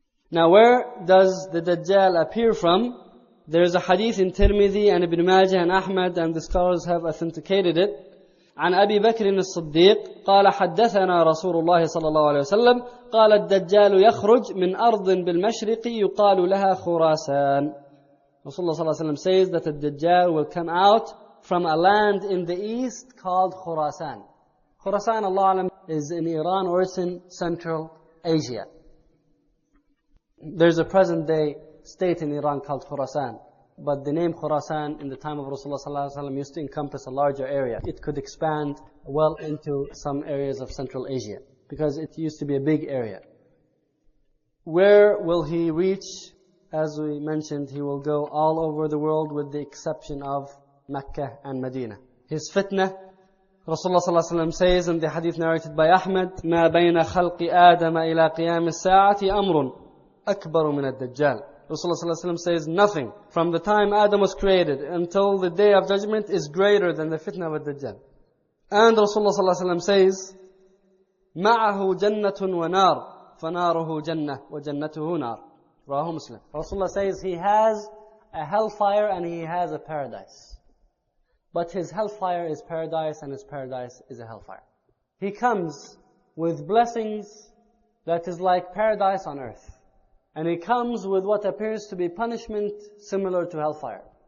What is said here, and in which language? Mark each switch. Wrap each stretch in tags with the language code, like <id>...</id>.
<en>Now, where does the Dajjal appear from? There is a hadith in Tirmidhi and Ibn Majah and Ahmad, and the scholars have authenticated it.</en> <ar>عن أبي بكر الصديق قال حدثنا رسول الله صلى الله عليه وسلم قال الدجال يخرج من أرض بالمشرق يقال لها خراسان. رسول الله صلى الله عليه وسلم</ar> <en>says that the Dajjal will come out from a land in the east called Khurasan. Khurasan</en> <ar>الله أعلم</ar> <en>is in Iran or it's in Central Asia. There's a present day state in Iran called Khurasan. But the name Khurasan in the time of Rasulullah sallallahu alaihi wasallam used to encompass a larger area. It could expand well into some areas of Central Asia because it used to be a big area. Where will he reach? As we mentioned, he will go all over the world with the exception of Mecca and Medina. His fitna, Rasulullah sallallahu alaihi wasallam says in the hadith narrated by Ahmad,</en> <ar>مَا بَيْنَ خَلْقِ آدَمَ إِلَى قِيَامِ السَّاعَةِ أَمْرٌ أَكْبَرُ مِنَ الدَّجَّالِ.</ar> <en>Rasulullah ﷺ says nothing from the time Adam was created until the day of judgment is greater than the fitna of Dajjal. And Rasulullah ﷺ says,</en> <ar>مَعَهُ جَنَّةٌ وَنَارٌ فَنَارُهُ جَنَّةٌ وَجَنَّتُهُ نَارٌ. Rahu Muslim.</ar> <en>Rasulullah says he has a hellfire and he has a paradise. But his hellfire is paradise and his paradise is a hellfire. He comes with blessings that is like paradise on earth. And he comes with what appears to be punishment similar to hellfire.</en>